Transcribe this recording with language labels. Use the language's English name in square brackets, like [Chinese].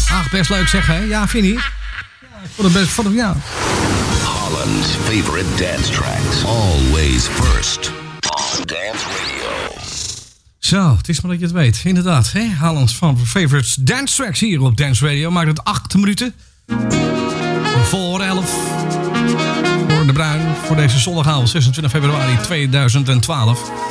[Dutch] Best leuk zeggen, hè? Ja, vind je? Ja, ik vond het best van hem, ja. [English] Holland's favorite dance tracks. Always first on Dance Radio. [Dutch] Zo, het is maar dat je het weet. Inderdaad, hè? Holland's favorite dance tracks hier op Dance Radio. Maakt het 8 minuten. Voor 11. Voor de Bruin. Voor deze zondagavond, 26 februari 2012.